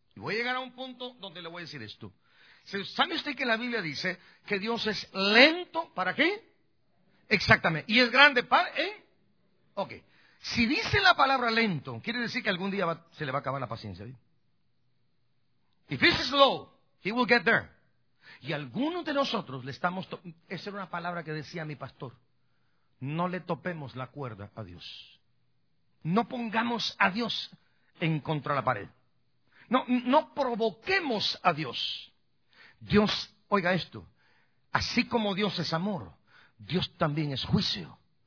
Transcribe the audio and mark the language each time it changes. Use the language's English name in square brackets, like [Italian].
[Spanish] Y voy a llegar a un punto donde le voy a decir esto. ¿Sabe usted que la Biblia dice que Dios es lento para qué? Exactamente. ¿Y es grande para qué? Ok. Si dice la palabra lento, quiere decir que algún día se le va a acabar la paciencia. ¿Eh? [English] If he's slow, he will get there. [Spanish] Y algunos de nosotros le estamos... Esa era una palabra que decía mi pastor. No le topemos la cuerda a Dios. No pongamos a Dios en contra de la pared. No provoquemos a Dios. Dios, oiga esto, así como Dios es amor, Dios también es juicio.